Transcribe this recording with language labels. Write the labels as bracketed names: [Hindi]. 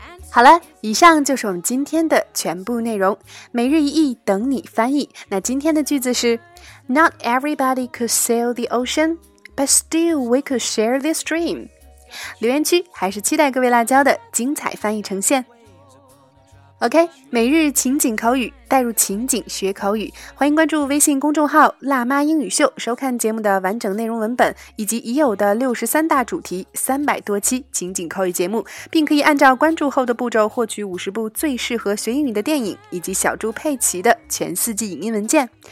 [Chinese] 好了，以上就是我们今天的全部内容。每日一译等你翻译。那今天的句子是 [English] Not everybody could sail the ocean, but still we could share this dream. [Chinese] 留言区还是期待各位辣椒的精彩翻译呈现。 OK, 每日情景口语，带入情景学口语。欢迎关注微信公众号辣妈英语秀，收看节目的完整内容文本以及已有的63大主题300多期情景口语节目，并可以按照关注后的步骤获取50部最适合学英语的电影以及小猪佩奇的全四季影音文件。